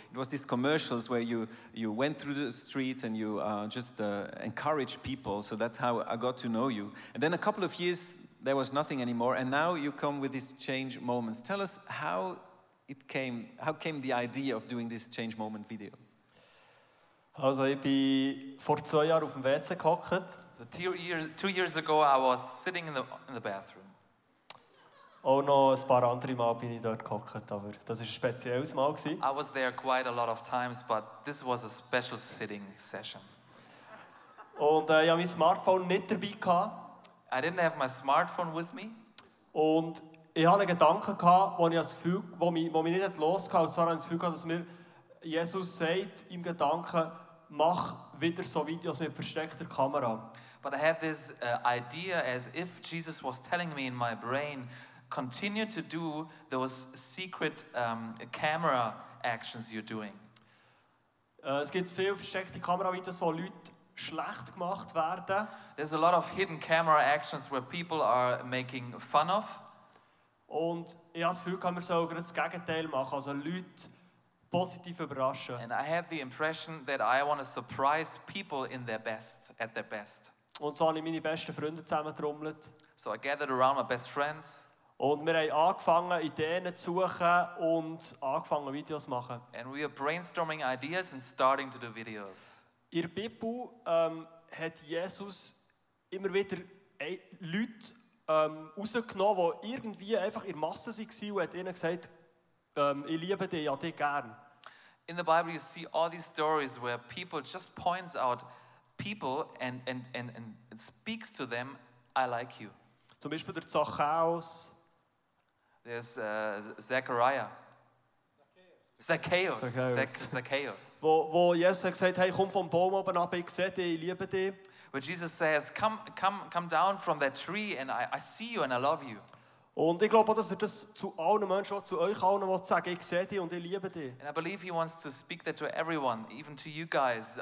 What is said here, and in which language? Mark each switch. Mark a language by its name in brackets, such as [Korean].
[English] It was these commercials where you went through the streets and you encouraged people. So that's how I got to know you. And then a couple of years, there was nothing anymore. And now you come with these Change Moments. Tell us how it came, how came the idea of doing this Change Moment video? [German] Also, ich bin vor 2 Jahren auf dem WC gehockt. [English] So 2 years ago, I was sitting in the bathroom. [German] Oh no, ein paar andere Mal bin ich dort gehockt, aber das ist ein spezielles Mal gsi. [English] I was there quite a lot of times, but this was a special sitting session. [German] Und ich habe mein Smartphone nicht dabei gehabt. [English] I didn't have my smartphone with me. [German] Und ich hatte einen Gedanken gehabt, wo mich nicht losgehauen. Und zwar habe ich das Gefühl gehabt, dass mir Jesus sagt im Gedanken, mach wieder so Videos mit versteckter Kamera. [English] But I had this idea as if Jesus was telling me in my brain, continue to do those secret camera actions you're doing. [German] Es gibt viele versteckte Kameravideos, wo Leute schlecht gemacht werden. [English] There's a lot of hidden camera actions where people are making fun of. [German] Und ich habe das Gefühl, kann man so das Gegenteil machen, also Leute positiv überraschen. [English] And I have the impression that I want to surprise people in their best, at their best. [German] Und so habe ich meine besten Freunde zusammengetrommelt. [English] So I gathered around my best friends. [German] Und wir haben angefangen, Ideen zu suchen und angefangen, Videos zu machen. [English] And we are brainstorming ideas and starting to do videos. [German] In der Bibel hat Jesus immer wieder Leute rausgenommen, die irgendwie einfach in Masse waren und hat ihnen gesagt, ich liebe dich, ja, dich gern. [English] In the Bible you see all these stories where people just points out people and speaks to them, I like you. [German] Zum Beispiel der Zachäus. [English] There's Zachariah. Zacchaeus. Where Jesus says, come down from that tree and I see you and I love you. [German] Und ich glaube, dass er das zu allen Menschen, zu euch allen, will sagen, ich sehe dich und ich liebe dich. [English] And I believe he wants to speak that to everyone, even to you guys.